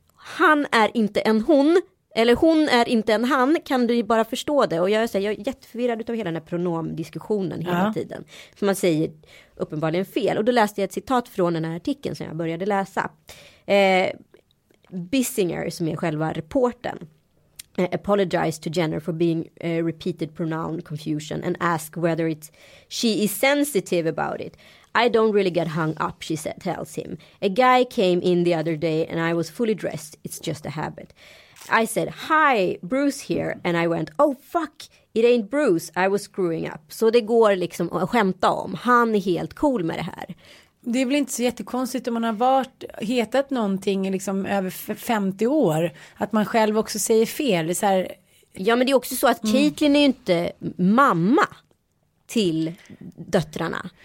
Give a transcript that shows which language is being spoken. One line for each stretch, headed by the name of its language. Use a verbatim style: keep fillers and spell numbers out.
Swedish: Han är inte en hon... Eller hon är inte en han, kan du bara förstå det. Och jag, säger, jag är jätteförvirrad utav hela den här pronomdiskussionen hela ja. tiden. För man säger uppenbarligen fel. Och då läste jag ett citat från den här artikeln som jag började läsa. Eh, Bissinger, som är själva reportern.
English: Uh, apologize to Jenner for being uh, repeated pronoun confusion and ask whether it's she is sensitive about it. I don't really get hung up, she said, tells him. A guy came in the other day and I was fully dressed. It's just a habit. I said, hi, Bruce here. And I went, oh fuck, it ain't Bruce. I was screwing up.
Swedish: Så det går liksom att skämta om. Han är helt cool med det här. Det är väl inte så jättekonstigt om man har varit, hetat någonting liksom över femtio år. Att man själv också säger fel. Det är så här... Ja, men det är också så att mm. Caitlyn är ju inte mamma till döttrarna.